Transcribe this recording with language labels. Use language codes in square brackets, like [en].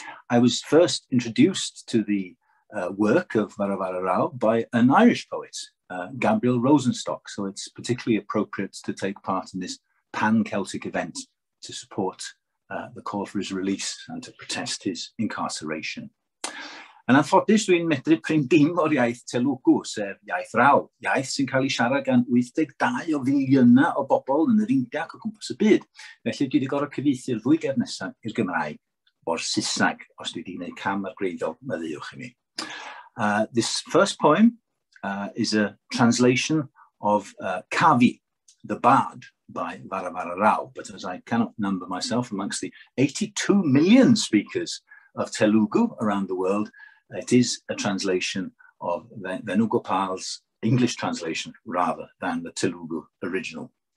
[en] I was first introduced to the work of Varavara Rao by an Irish poet, Gabriel Rosenstock, so it's particularly appropriate to take part in this pan-Celtic event to support the call for his release and to protest his incarceration. And I thought this [cy] dwi'n medru prin dim o'r iaith telwgw, sef iaith Rao, iaith sy'n cael ei siarad gan 82 o filiynau o bobl yn yr Indiac o gwmpas y byd. Felly dwi wedi gorfod cyfieithu'r ddwy gerdd nesaf i'r Gymraeg o'r Saesneg, os dwi wedi gwneud cam ar greiddol meddwch i mi. [en] This first poem is a translation of Cavi, the Bard, by Varavara Rao. But as I cannot number myself amongst the 82 million speakers of Telugu around the world, it is a translation of Venugopal's English translation rather than the Telugu original.